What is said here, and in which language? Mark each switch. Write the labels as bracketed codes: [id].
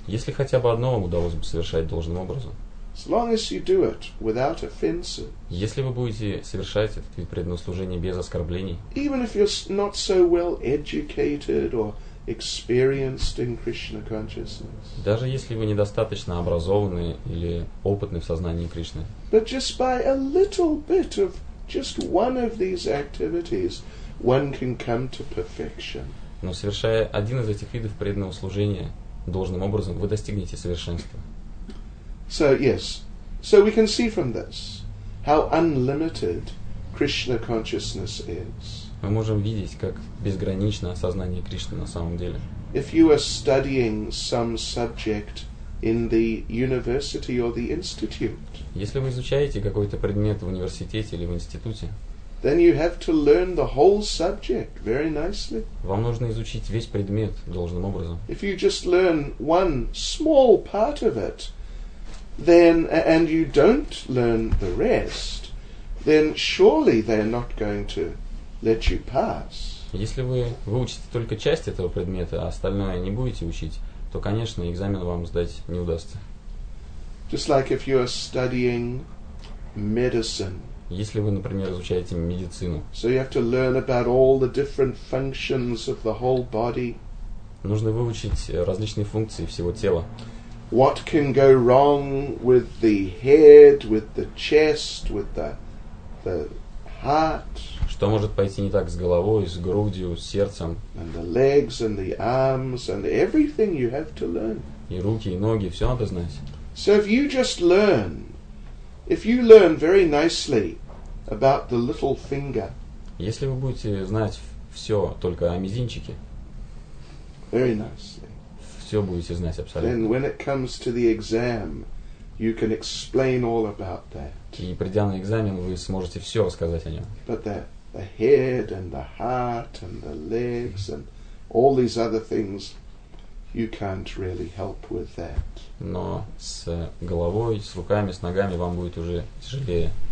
[ru] Если хотя бы одно вам удалось бы совершать должным образом. [en] As long as you do it without offenses. [ru] Если вы будете совершать этот вид преданного служения без оскорблений. [en] Even if you're not so well educated or experienced in Krishna consciousness. [ru] Даже если вы недостаточно образованы или опытны в сознании Кришны. [en] But just by a little bit of just one of these activities, one can come to perfection. [ru] Но совершая один из этих видов преданного служения должным образом, вы достигнете совершенства. [en] So yes, so we can see from this how unlimited Krishna consciousness is. [ru] Мы можем видеть, как безгранично сознание Кришны на самом деле. [en] If you are studying some subject in the university or the institute, [ru] если вы изучаете какой-то предмет в университете или в институте, [en] then you have to learn the whole subject very nicely. [ru] Вам нужно изучить весь предмет должным образом. [en] If you just learn one small part of it, then, and you don't learn the rest, then surely they're not going to let you pass. [ru] Если вы выучите только часть этого предмета, а остальное не будете учить, то, конечно, экзамен вам сдать не удастся. [en] Just like if you are studying medicine. [ru] Если вы, например, изучаете медицину. [en] So you have to learn about all the different functions of the whole body. [ru] Нужно выучить различные функции всего тела. [en] What can go wrong with the head, with the chest, with the heart? [ru] Что может пойти не так с головой, с грудью, с сердцем? [en] And the legs and the arms and everything you have to learn. [ru] И руки, и ноги, все надо знать. [en] So if you just learn, if you learn very nicely about the little finger. [ru] Если вы будете знать все только о мизинчике. [en] Very nicely. [ru] Все будете знать абсолютно. [en] Then when it comes to the exam, you can explain all about that. [ru] И придя на экзамен, вы сможете все рассказать о нем. [en] But the head and the heart and the legs and all these other things, you can't really help with that. [ru] Но с головой, с руками, с ногами вам будет уже тяжелее.